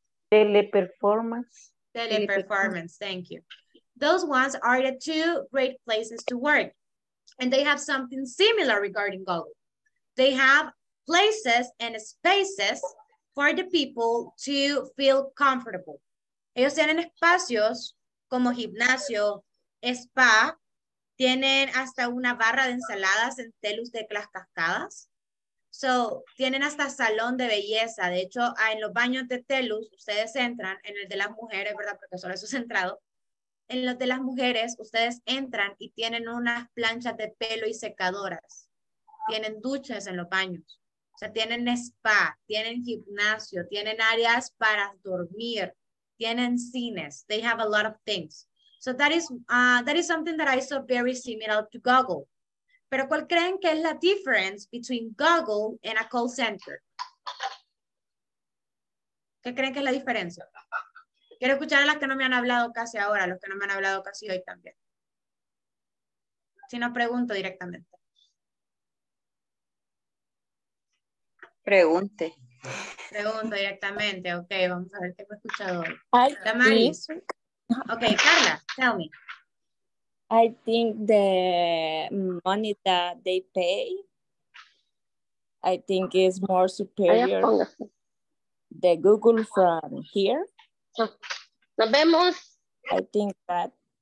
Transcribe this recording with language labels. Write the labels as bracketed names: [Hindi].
[English] Teleperformance. Teleperformance, thank you. Those ones are the two great places to work. And they have something similar regarding Google. They have places and spaces for the people to feel comfortable. [Spanish] Ellos tienen espacios como gimnasio, spa, tienen hasta una barra de ensaladas en Telus de las Cascadas. So, tienen hasta salón de belleza. De hecho, en los baños de Telus, ustedes entran, en el de las mujeres, ¿verdad? Porque solo eso es centrado. En los de las mujeres, ustedes entran y tienen unas planchas de pelo y secadoras. Tienen duchas en los baños. O sea, tienen spa, tienen gimnasio, tienen áreas para dormir, tienen cines. [English] They have a lot of things. So that is something that I saw very similar to Google. [Spanish] Pero ¿cuál creen que es la [English] difference between Google and a call center? [Spanish] ¿Qué creen que es la diferencia? Quiero escuchar a las que no me han hablado casi ahora, los que no me han hablado casi hoy también. Si no, pregunto directamente. Pregunte. Pregunto directamente. Ok, vamos a ver qué me he escuchado hoy. [English] Damaris. Ok, Carla, tell me. I think the money that they pay, I think is more superior. the Google from here. [Spanish] Nos vemos. [English] I think that.